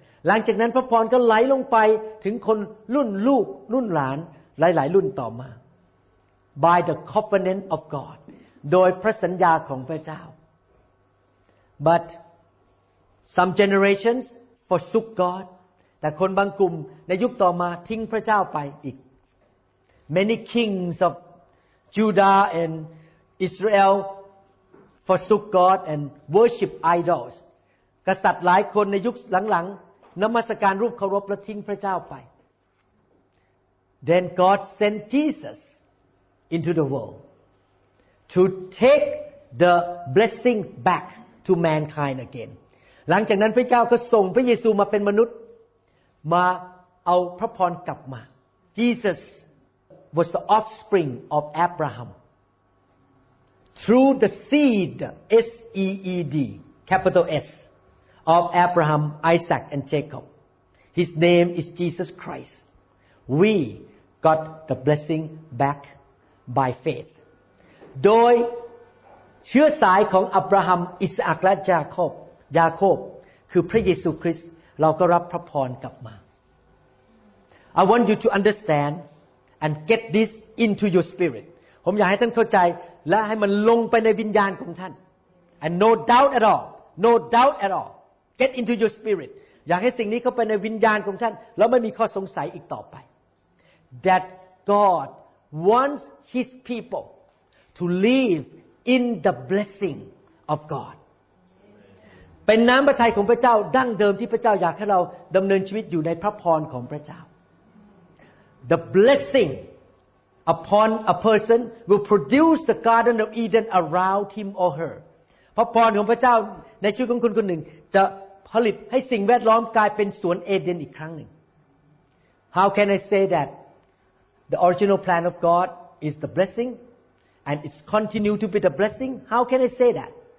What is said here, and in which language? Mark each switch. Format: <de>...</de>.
<th>หลังจากนั้นพระพรก็ไหลลงไปถึงคนรุ่นลูกรุ่นหลานหลายๆรุ่นต่อมา</th> <en>By the covenant of God</en> <th>โดยพระสัญญาของพระเจ้า</th> <en>But some generations forsook God.</en> <th>แต่คนบางกลุ่มในยุคต่อมาทิ้งพระเจ้าไปอีก</th> <en>Many kings of Judah and Israel forsook God and worshipped idols.</en> <th>กษัตริย์หลายคนในยุคหลังๆนมัสการรูปเคารพและทิ้งพระเจ้าไป</th> <en>Then God sent Jesus into the world to take the blessing back. To mankind again.</en> <th>หลังจากนั้นพระเจ้าก็ส่งพระเยซูมาเป็นมนุษย์มาเอาพระพรกลับมา</th> <en>Jesus was the offspring of Abraham through the seed S-E-E-D, capital S, of Abraham, Isaac, and Jacob. His name is Jesus Christ. We got the blessing back by faith.</en> <th>โดยเชื้อสายของอับราฮัมอิสอัคและยาโคบคือพระเยซูคริสต์เราก็รับพระพรกลับมา</th> <en>I want you to understand and get this into your spirit</en> <th>ผมอยากให้ท่านเข้าใจและให้มันลงไปในวิญญาณของท่าน</th> <en>and no doubt at all get into your spirit</en> <th>อยากให้สิ่งนี้เข้าไปในวิญญาณของท่านแล้วไม่มีข้อสงสัยอีกต่อไป</th> <en>that God wants his people to liveIn the blessing of God,</en> <th>เป็นน้ำพระทัยของพระเจ้าดั้งเดิมที่พระเจ้าอยากให้เราดำเนินชีวิตอยู่ในพระพรของพระเจ้า</th> <en>The blessing upon a person will produce the Garden of Eden around him or her.</en> <th>พระพรของพระเจ้าในชีวิตของคนคนหนึ่งจะผลิตให้สิ่งแวดล้อมกลายเป็นสวนเอเดนอีกครั้งหนึ่ง</th> <en>How can I say that the original plan of God is the blessing?And it's continue to be the blessing. How can I say that?</en>